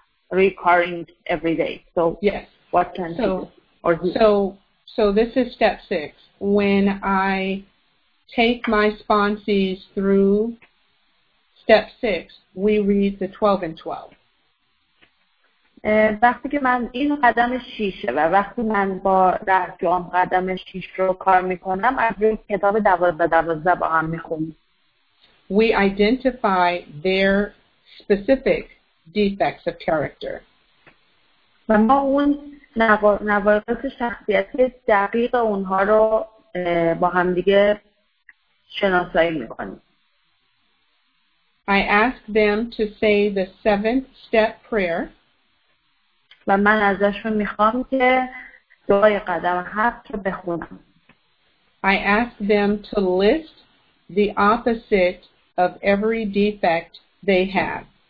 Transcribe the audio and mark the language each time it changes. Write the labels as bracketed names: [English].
[English] recurring every day. So yes, what can so, or do? So this is step six. When I take my sponsees through step six, we read the 12 and 12. [Persian] وقتی که من این قدم شیشه و وقتی من با درجام قدم شیش رو کار میکنم از روی کتاب دوازده دوازده با هم میخونیم. [English] We identify their specific defects of character. [Persian] و ما اون نواقص شخصیتی دقیق اونها رو با هم دیگه شناسایی میکنیم. [English] I ask them to say the seventh step prayer. [Persian] و من ازشون میخوام که دعای قدم هفت رو بخونم. [English] I ask them to list the opposite of every defect they have.